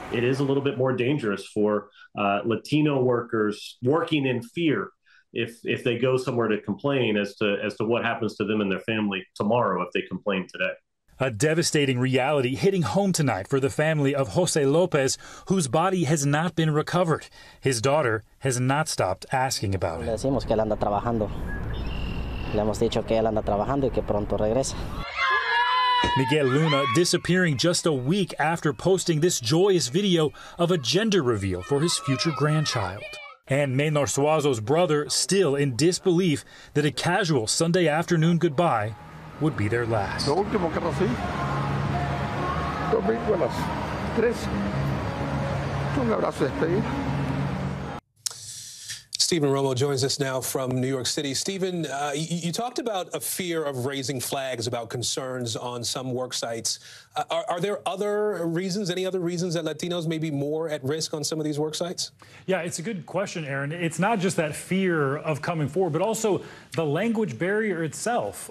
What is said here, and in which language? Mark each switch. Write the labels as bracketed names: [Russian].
[English] It is a little bit more dangerous for Latino workers working in fear if they go somewhere to complain as to what happens to them and their family tomorrow if they complain today. A devastating reality hitting home tonight for the family of Jose Lopez, whose body has not been recovered. His daughter has not stopped asking about it. [Spanish] Le decimos que él anda trabajando. Le hemos dicho que él anda trabajando y que pronto regresa. [English] Miguel Luna disappearing just a week after posting this joyous video of a gender reveal for his future grandchild. And Maynor Suazo's brother still in disbelief that a casual Sunday afternoon goodbye would be their last. [Spanish] Lo último que recibí, domingo a las 3, un abrazo de despedida. [English] Stephen Romo joins us now from New York City. Stephen, you talked about a fear of raising flags about concerns on some work sites. Are there other reasons, any other reasons that Latinos may be more at risk on some of these work sites? Yeah, it's a good question, Aaron. It's not just that fear of coming forward, but also the language barrier itself.